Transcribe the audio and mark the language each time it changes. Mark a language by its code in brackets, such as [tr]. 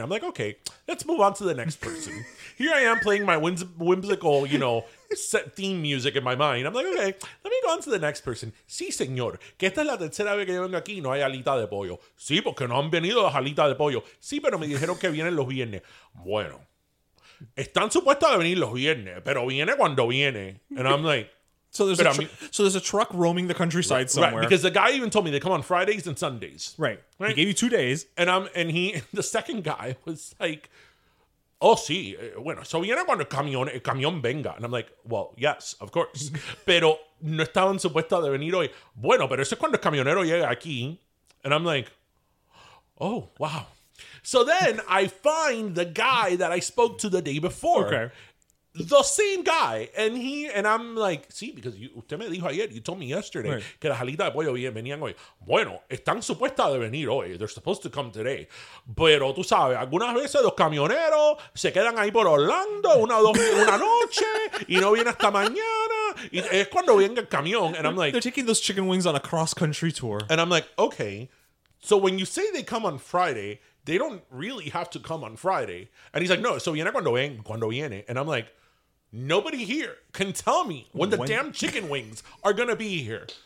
[en] I'm like, okay, let's move on to the next person. Here I am playing my whimsical, you know, set theme music in my mind. I'm like, okay, let me go on to the next person. [es] Sí, señor, que esta es la tercera vez que yo vengo aquí y no hay alita de pollo. Sí, porque no han venido las alitas de pollo. Sí, pero me dijeron que vienen los viernes. Bueno. están supuestos a venir los viernes, pero viene cuando viene. [en] And I'm like, so there's a there's a truck roaming the countryside somewhere. Right, because the guy even told me they come on Fridays and Sundays. Right. Right. He gave you 2 days. And the second guy was like, oh, sí. [es] Bueno, so viene cuando el camión venga. [en] And I'm like, well, yes, of course. [es] Pero no estaban supuestos a venir hoy. Bueno, pero eso es cuando el camionero llega aquí. [en] And I'm like, oh, wow. So then I find the guy that I spoke to the day before. Okay. The same guy. And I'm like, sí, because [es] usted me dijo ayer, [en] you told me yesterday, right, [es] que las alitas de pollo venían hoy. Bueno, están supuestas de venir hoy. [en] They're supposed to come today. [es] Pero tú sabes, algunas veces los camioneros se quedan ahí por Orlando una noche y no vienen hasta mañana. Y es cuando viene el camión. [en] And I'm like, they're taking those chicken wings on a cross-country tour. And I'm like, okay. So when you say they come on Friday, they don't really have to come on Friday. And he's like, no, [es] so viene cuando viene. [en] And I'm like, nobody here can tell me when damn chicken wings are going to be here.